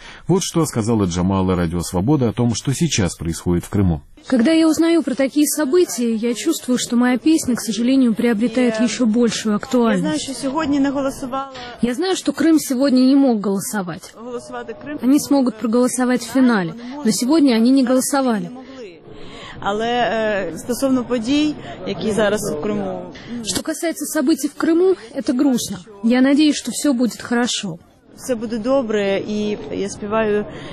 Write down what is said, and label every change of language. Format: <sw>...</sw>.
<ru>Вот что сказала Джамала Радио Свобода о том, что сейчас происходит в Крыму. Когда я узнаю про такие события, я чувствую, что моя песня, к сожалению, приобретает еще большую актуальность. Я знаю, что Крым сегодня не мог голосовать. Они смогут проголосовать в финале, но сегодня они не голосовали.</ru> <uk>Але стосовно подій, які зараз в Криму.</uk> <ru>Что касается событий в Крыму, это грустно. Я надеюсь, что все будет хорошо.</ru> <uk>Все буде добре, і я співаю.</uk>